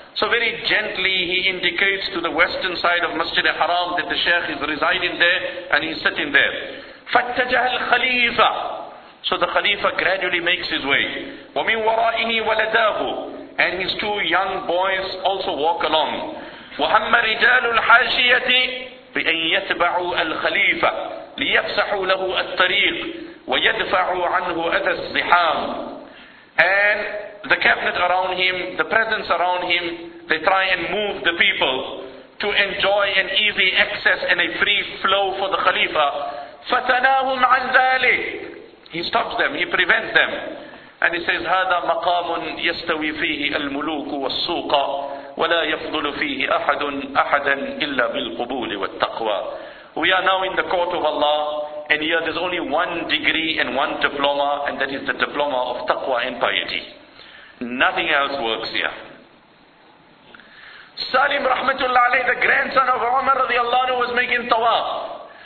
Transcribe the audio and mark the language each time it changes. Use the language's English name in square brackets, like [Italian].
[English] So very gently he indicates to the western side of Masjid al-Haram that the sheikh is residing there and he's sitting there. [Arabic] فَاتَّجَهَ الْخَلِيفَةِ. [English] So the Khalifa gradually makes his way. [Arabic] وَمِنْ وَرَائِهِ وَلَدَاهُ. [English] And his two young boys also walk along. [Arabic] وهم رجال الحاشية بأن يتبعوا الخليفة ليفسحوا له الطريق ويدفعوا عنه أذى الزحام. [English] And the cabinet around him, the peasants around him, they try and move the people to enjoy an easy access and a free flow for the Khalifa. [Arabic] فتناهم عن ذلك. [English] He stops them, he prevents them. And he says, [Arabic] هذا مقام يستوي فيه الملوك والسوق ولا يفضل فيه أحد أحدا إلا بالقبول والتقوى. [English] We are now in the court of Allah, and here there's only one degree and one diploma, and that is the diploma of taqwa and piety. Nothing else works here. Salim rahmatullah alayhi, the grandson of Umar radiallahu anhu, was making tawaf.